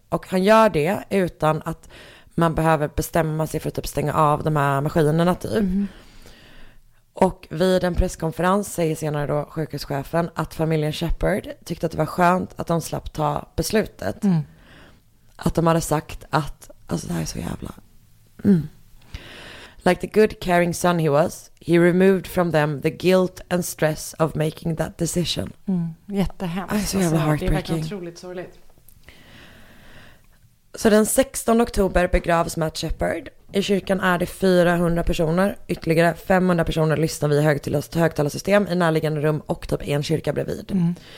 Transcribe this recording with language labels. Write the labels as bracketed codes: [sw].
[sv] Och han gör det utan att man behöver bestämma sig för att typ stänga av de här maskinerna typ. Mm. Och vid en presskonferens säger senare då sjukhuschefen att familjen Shepard tyckte att det var skönt att de slapp ta beslutet. Mm. Att de hade sagt att, alltså det här är så jävla... Mm. [en] Like the good caring son he was, he removed from them the guilt and stress of making that decision. [sv] Mm. Jättehemskt. Alltså, det är verkligen otroligt sorgligt. Så den 16 oktober begravs Matt Shepard. I kyrkan är det 400 personer. Ytterligare 500 personer lyssnar via högtalarsystem i närliggande rum och typ en kyrka bredvid. Mm.